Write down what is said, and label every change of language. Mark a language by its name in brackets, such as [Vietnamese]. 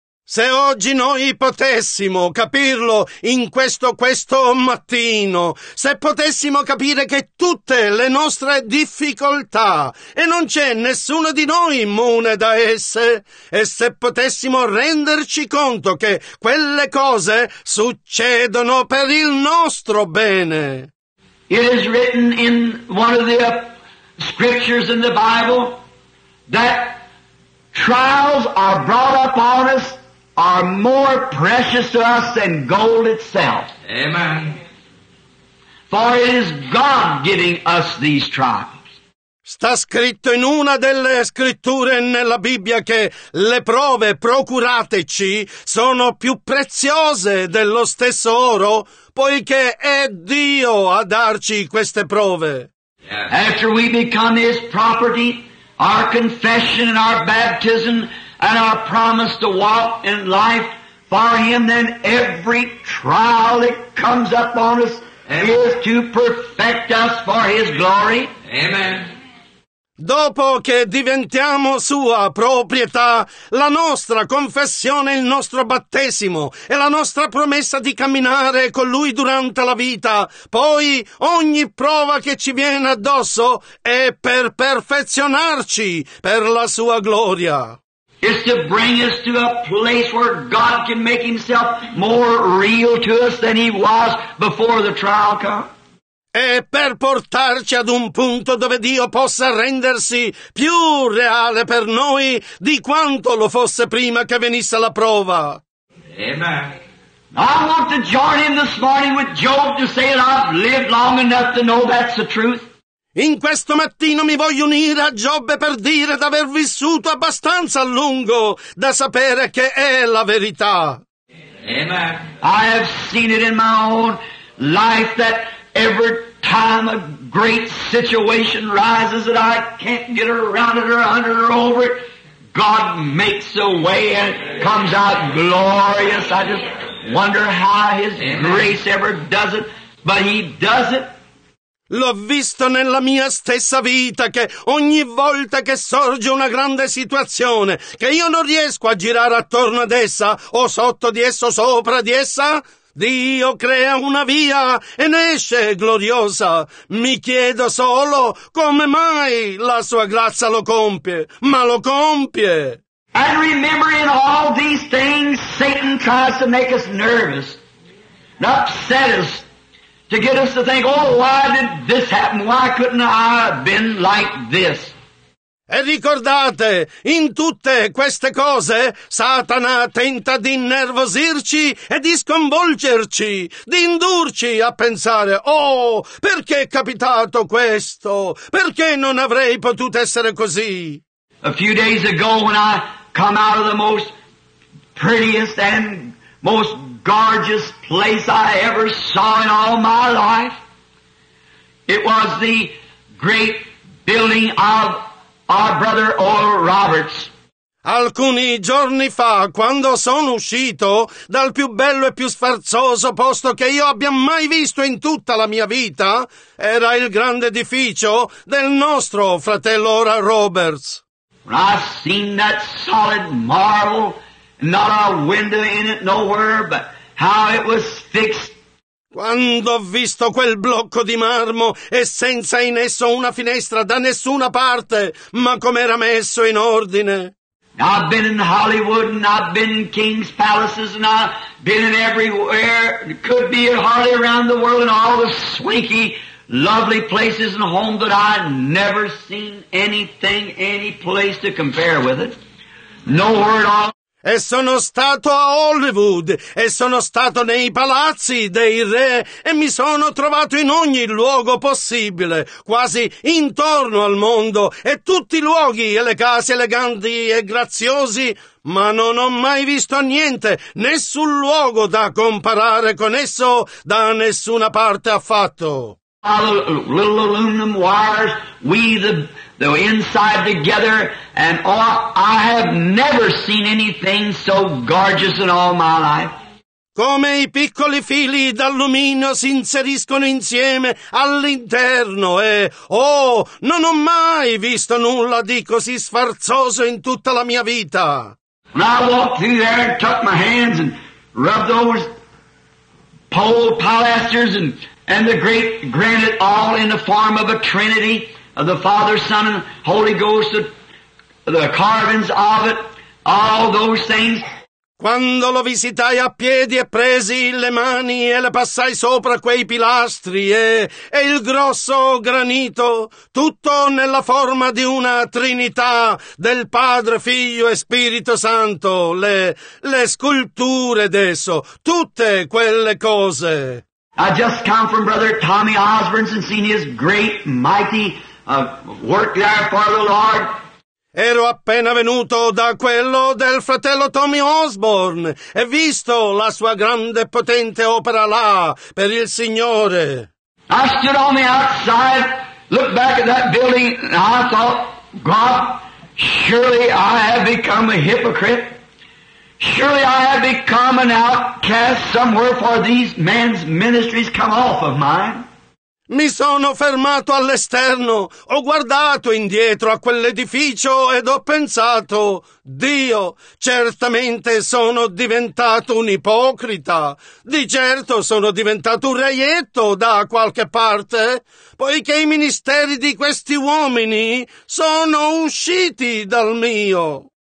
[Italian] Se oggi noi potessimo capirlo in questo mattino, se potessimo capire che tutte le nostre difficoltà, e non c'è nessuno di noi immune da esse, e se potessimo renderci conto che quelle cose succedono per il nostro bene. [English] It is written in one of the scriptures in the Bible that trials are brought upon us are more precious to us than gold itself. Amen. For it is God giving us these trials. [Italian] Sta scritto in una delle scritture nella Bibbia che le prove procurateci sono più preziose dello stesso oro, poiché è Dio a darci queste prove. [English] Yes. After we become His property, our confession and our baptism and our promise to walk in life for Him, then every trial that comes upon us is to perfect us for His glory. Amen. [Italian] Dopo che diventiamo sua proprietà, la nostra confessione, il nostro battesimo e la nostra promessa di camminare con Lui durante la vita, poi ogni prova che ci viene addosso è per perfezionarci per la sua gloria. [English] It's to bring us to a place where God can make Himself more real to us than He was before the trial came. [Italian] È per portarci ad un punto dove Dio possa rendersi più reale per noi di quanto lo fosse prima che venisse la prova. [English] Amen. I want to join in this morning with Job to say that I've lived long enough to know that's the truth. [Italian] In questo mattino mi voglio unire a Giobbe per dire d'aver vissuto abbastanza a lungo da sapere che è la verità. [English] Amen. I have seen it in my own life that every time a great situation rises that I can't get around it or under it or over it, God makes a way and comes out glorious. I just wonder how His grace ever does it, but He does it. [Italian] L'ho visto nella mia stessa vita che ogni volta che sorge una grande situazione, che io non riesco a girare attorno ad essa, o sotto di essa, o sopra di essa, Dio crea una via e ne esce gloriosa. Mi chiedo solo come mai la sua grazia lo compie, ma lo compie. [English] And remember in all these things, Satan tries to make us nervous, and upset us. To get us to think, oh, why did this happen? Why couldn't I have been like this? [Italian] E ricordate, in tutte queste cose, Satana tenta di innervosirci e di sconvolgerci, di indurci a pensare, oh, perché è capitato questo? Perché non avrei potuto essere così? [English] A few days ago, when I come out of the most prettiest and most gorgeous place I ever saw in all my life. It was the great building of our brother Oral Roberts. [Italian] Alcuni giorni fa, quando sono uscito dal più bello e più sfarzoso posto che io abbia mai visto in tutta la mia vita, era il grande edificio del nostro fratello Oral Roberts. [English] When I seen that solid marble, not a window in it nowhere, but how it was fixed. [Italian] Quando ho visto quel blocco di marmo e senza in esso una finestra da nessuna parte, ma com'era messo in ordine. [English] I've been in Hollywood and I've been in King's Palaces and I've been in everywhere, could be in Hollywood around the world and all the swanky, lovely places and homes, but I've never seen anything, any place to compare with it. Nowhere at all. [Italian] E sono stato a Hollywood, e sono stato nei palazzi dei re, e mi sono trovato in ogni luogo possibile, quasi intorno al mondo, e tutti i luoghi e le case eleganti e graziosi, ma non ho mai visto niente, nessun luogo da comparare con esso, da nessuna parte affatto. [English] Little aluminum wires, weave the inside together, and oh, I have never seen anything so gorgeous in all my life. [Italian] come i piccoli fili d'alluminio si inseriscono insieme all'interno e, oh, non ho mai visto nulla di così sfarzoso in tutta la mia vita. [English] When I walked through there and took my hands and rubbed those pole pilasters and the great granite all in the form of a trinity of the Father, Son, and Holy Ghost, the carvings of it, all those things. [Italian] Quando lo visitai a piedi e presi le mani e le passai sopra quei pilastri e il grosso granito, tutto nella forma di una trinità del Padre, Figlio e Spirito Santo, le sculture d'esso, tutte quelle cose. [English] I just come from Brother Tommy Osborne's and seen his great, mighty work there for the Lord. [Italian] Ero appena venuto da quello del fratello Tommy Osborne e visto la sua grande e potente opera là per il Signore. [English] I stood on the outside, looked back at that building, and I thought, God, surely I have become a hypocrite. Surely I have become an outcast somewhere for these men's ministries come off of mine. [Italian] Mi sono fermato all'esterno, ho guardato indietro a quell'edificio ed ho pensato, Dio, certamente sono diventato un ipocrita, di certo sono diventato un reietto da qualche parte, poiché i ministeri di questi uomini sono usciti dal mio.